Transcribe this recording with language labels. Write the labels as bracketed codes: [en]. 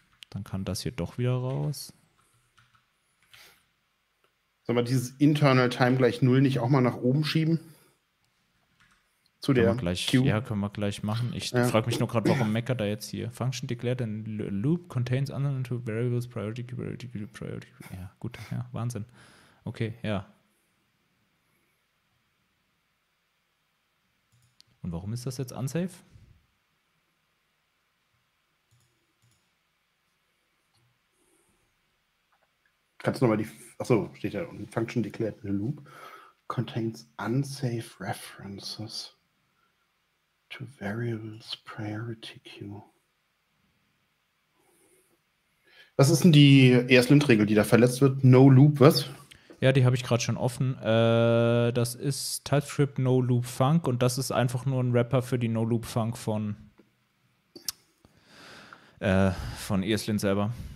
[de] Dann kann das hier doch wieder raus. Sollen wir dieses internal time gleich 0 nicht auch mal nach oben schieben? Zu können der wir gleich, Q? Ja, können wir gleich machen. Ich frage mich nur gerade, warum Mecker da jetzt hier. [en] Function declared in loop contains unknown variables priority, priority, priority. [de] Ja, gut, ja, Wahnsinn. Okay, ja. Und warum ist das jetzt unsafe? Kannst du nochmal die. Achso, steht da unten. [en] Function declared in a loop contains unsafe references to variables priority queue. [de] Was ist denn die ESLint-Regel, die da verletzt wird? No loop, was? Ja, die habe ich gerade schon offen. Das ist TypeScript No Loop Funk und das ist einfach nur ein Wrapper für die No Loop Funk von ESLint selber.